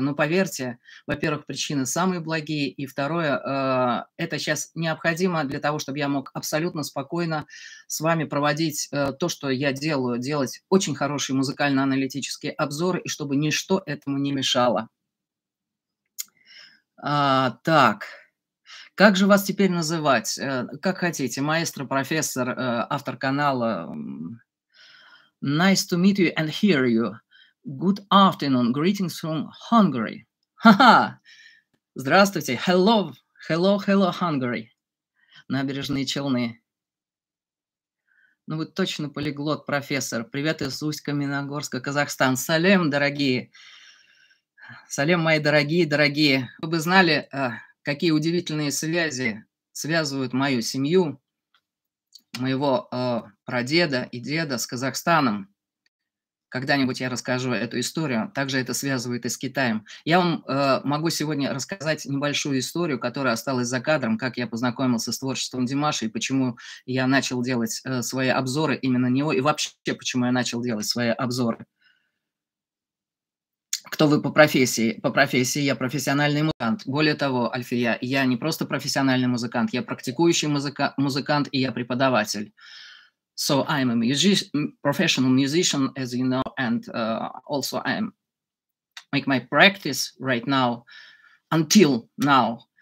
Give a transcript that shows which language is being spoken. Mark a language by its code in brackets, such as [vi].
[ru] Но поверьте, во-первых, причины самые благие, и второе, это сейчас необходимо для того, чтобы я мог абсолютно спокойно с вами проводить то, что я делаю, делать очень хороший музыкально-аналитический обзор, и чтобы ничто этому не мешало. Так, как же вас теперь называть? Как хотите, маэстро, профессор, автор канала... [en] Nice to meet you and hear you. Good afternoon. Greetings from Hungary. Ха-ха! [ru] Здравствуйте. [en] Hello. Hello, hello, Hungary. [ru] Набережные Челны. Ну, вы точно полиглот, профессор. Привет из Усть-Каменогорска, Казахстан. Салем, дорогие. Салем, мои дорогие, дорогие. Вы бы знали, какие удивительные связи связывают мою семью, моего прадеда и деда с Казахстаном. Когда-нибудь я расскажу эту историю. Также это связывает и с Китаем. Я вам могу сегодня рассказать небольшую историю, которая осталась за кадром, как я познакомился с творчеством Димаша и почему я начал делать свои обзоры именно него, и вообще, почему я начал делать свои обзоры. Кто вы по профессии? По профессии я профессиональный музыкант. Более того, Альфия, я не просто профессиональный музыкант, я практикующий музыкант и я преподаватель. [en] So I'm a professional musician, as you know, and also I'm make my practice right now, until now.